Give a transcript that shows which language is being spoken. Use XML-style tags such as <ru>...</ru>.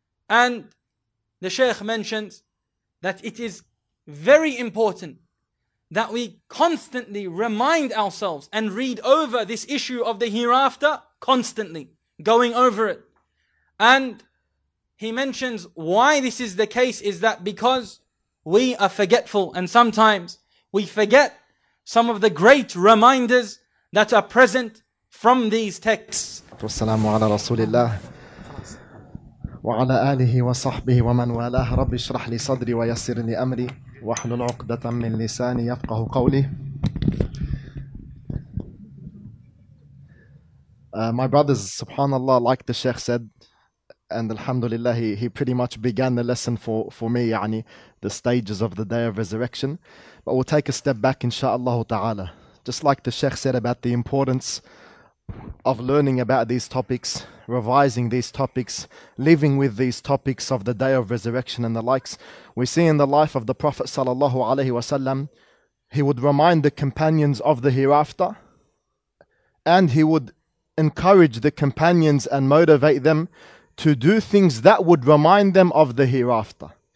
<en>And the Shaykh mentions that it is very important that we constantly remind ourselves and read over this issue of the hereafter constantly, going over it. And he mentions why this is the case is that because we are forgetful, and sometimes we forget some of the great reminders that are present from these texts.</en> <ar>As-salamu ala Rasulillah. وعلى آله وصحبه ومن والاه رب اشرح لي صدري ويسر لي أمري واحلل عقدة من لساني يفقه قولي.</ar> <en>My brothers, subhanallah, like the Sheikh said, and alhamdulillah, he pretty much began the lesson for me, يعني, the stages of the day of resurrection. But we'll take a step back, inshaAllah ta'ala. Just like the Sheikh said about the importance of learning about these topics, revising these topics, living with these topics of the day of resurrection and the likes, we see in the life of the Prophet sallallahu alaihi wasallam, he would remind the companions of the hereafter, and he would encourage the companions and motivate them to do things that would remind them of the hereafter.</en>